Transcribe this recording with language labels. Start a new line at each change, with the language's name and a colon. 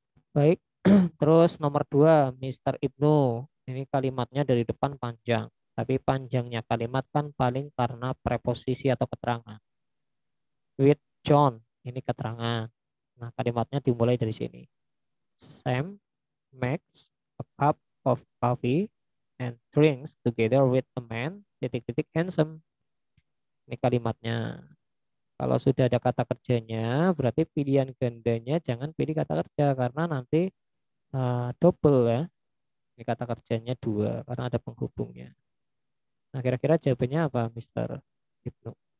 Indonesian: Baik, terus nomor dua, Mr. Ibnu. Ini kalimatnya dari depan panjang. Tapi panjangnya kalimat kan paling karena preposisi atau keterangan. With John, ini keterangan. Nah, kalimatnya dimulai dari sini.
English: Sam makes a cup of coffee and drinks together with a man,
Indonesian: titik-titik
English: handsome.
Indonesian: Ini kalimatnya. Kalau sudah ada kata kerjanya, berarti pilihan gandanya jangan pilih kata kerja. Karena nanti double ya. Ini kata kerjanya dua, karena ada penghubungnya. Nah, kira-kira jawabannya apa, Mr. Ibnu?